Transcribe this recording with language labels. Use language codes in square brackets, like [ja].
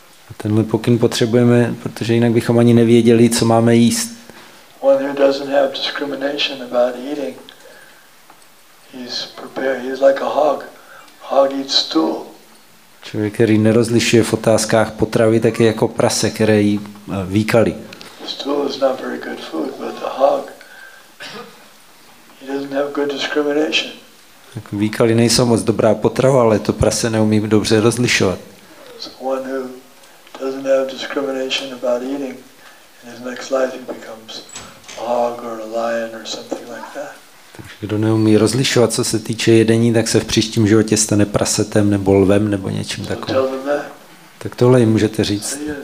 [cs] A tenhle pokyn potřebujeme, protože jinak bychom ani nevěděli, co máme jíst. [en] One who doesn't have discrimination about eating, he's prepared, he's like a hog. Hog eats stool. [cs] Člověk, který nerozlišuje v otázkách potravy, tak je jako prase, které jí výkaly. [en] Stool is not very good food, but the hog, he doesn't have good discrimination. [cs] Tak výkaly nejsou moc dobrá potrava, ale to prase neumí dobře rozlišovat. [en] One who doesn't have discrimination about eating, in his next life he becomes a hog or a lion or something like that. [cs] Takže kdo neumí rozlišovat, co se týče jedení, tak se v příštím životě stane prasetem nebo lvem nebo něčím takovým. Tak tohle jim můžete říct.